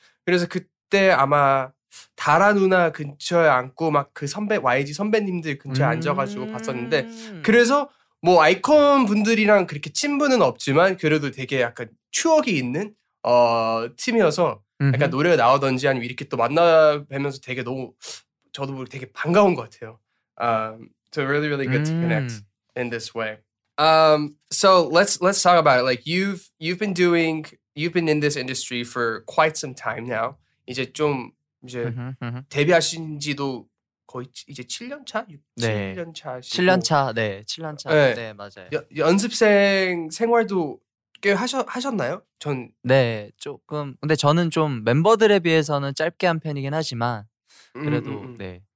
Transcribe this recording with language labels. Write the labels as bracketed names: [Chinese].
[Korean] 그래서 그때 아마 다라 누나 근처에 앉고 막 그 선배 YG 선배님들 근처에 앉아가지고 봤었는데 그래서 뭐 아이콘 분들이랑 그렇게 친분은 없지만 그래도 되게 약간 추억이 있는 팀이어서 약간 노래가 나오던지 아니면 이렇게 또 만나뵈면서 되게 너무 저도 되게 반가운 것 같아요. [English] So really really good to connect. In this way. So let's talk about it. Like you've been in this industry for quite some time now. [Korean] 이제 좀 이제 데뷔하신지도 거의 이제 7년 차? 네. 7년 차. 7년 차. 네. 7년 차. 네, 네 맞아요. 연습생 생활도 꽤 하셨나요? 전 네, 조금. 근데 저는 좀 멤버들에 비해서는 짧게 한 편이긴 하지만 그래도 네.